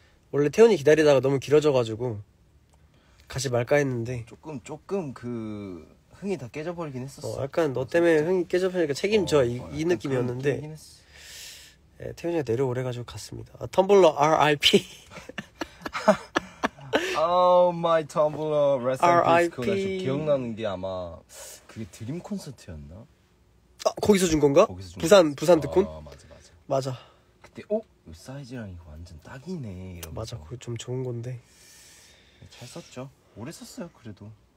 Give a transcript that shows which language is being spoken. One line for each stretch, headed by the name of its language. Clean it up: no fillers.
Korean: 원래 태훈이 기다리다가 너무 길어져가지고 같이 말까 했는데. 조금 그 흥이 다 깨져버리긴 했었어. 약간 너 그래서 때문에 흥이 깨져버리니까 책임져. 이 약간 그런 느낌이었는데. 느낌이긴 했어. 예, 태훈이가 내려오래가지고 갔습니다. 아, 텀블러 RIP.
English: Oh my tumbler, rest in peace.
Korean: 그거 나 지금
English: RIP.
Korean: 기억나는 게 아마 그게 드림 콘서트였나? 아, 거기서 준 건가? 거기서 준 거였어. 부산 듣콘? 아, 맞아. 맞아. 그때 어? 사이즈랑 이거 완전 딱이네 맞아, 이러면서 그거 좀 좋은 건데. 잘 썼죠. 오래 썼어요 그래도. 뭐